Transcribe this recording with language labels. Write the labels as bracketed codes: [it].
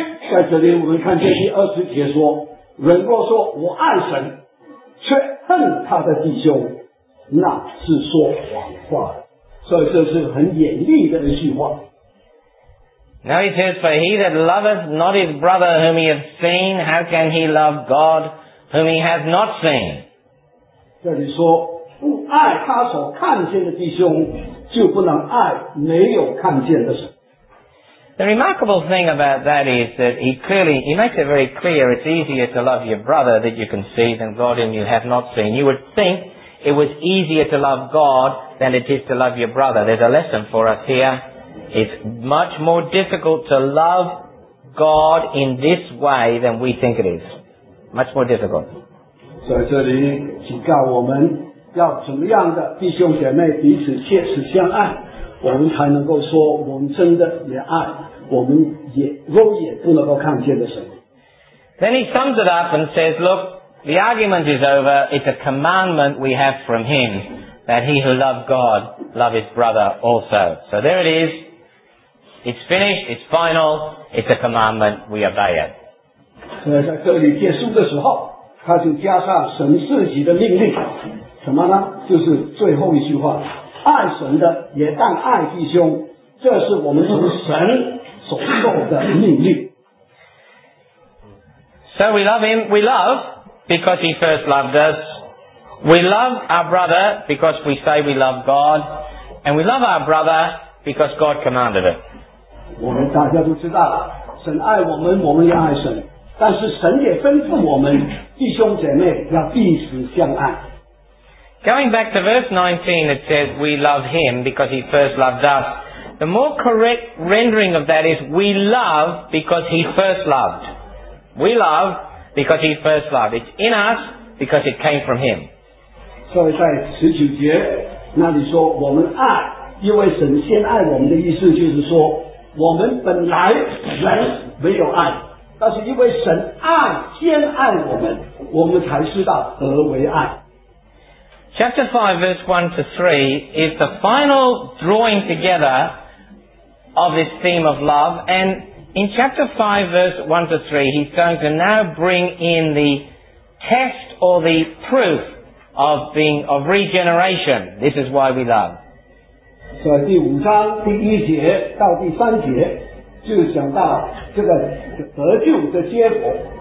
[zh] 在这里我们看见第二十节说, 人若说我爱神, 却恨他的弟兄，那是说谎话。所以这是很严厉的一句话。 [en] Now he says, for he that loveth not his brother whom he hath seen, how can he love God whom he hath not seen? [zh] 这里说，不爱他所看见的弟兄，就不能爱没有看见的神。 [en] The remarkable thing about that is that he makes it very clear it's easier to love your brother that you can see than God whom you have not seen. You would think it was easier to love God than it is to love your brother. There's a lesson for us here. It's much more difficult to love God in this way than we think it is. Much more difficult. [zh] So, 这里警告我们要怎么样的弟兄姐妹彼此切实相爱，我们才能够说我们真的也爱我们也肉眼不能够看见的神。 [en] Then he sums it up and says, look, the argument is over. It's a commandment we have from him that he who loved God love his brother also. So there it is. It's finished. It's final. It's a commandment. We obey it. [zh] 在这里结束的时候他就加上神自己的命令，什么呢？就是最后一句话，爱神的也当爱弟兄，这是我们从神所受的命令。 [en] So we love him, we love because he first loved us. We love our brother because we say we love God, and we love our brother because God commanded it. [zh] 我们大家都知道了，神爱我们，我们也爱神，但是神也吩咐我们弟兄姐妹要彼此相爱。 [en] Going back to verse 19, it says, we love him because he first loved us. The more correct rendering of that is, we love because he first loved. We love because he first loved. It's in us because it came from him. [zh] So, 在十九节那里说，我们爱，因为神先爱我们的意思就是说，我们本来人没有爱，但是因为神爱，先爱我们，我们才知道何为爱。 [en] Chapter 5 verse 1 to 3 is the final drawing together of this theme of love, and in chapter 5 verse 1 to 3 he's going to now bring in the test or the proof of being of regeneration. This is why we love. [zh] So 第五章第一节到第三节就讲到这个得救的结果。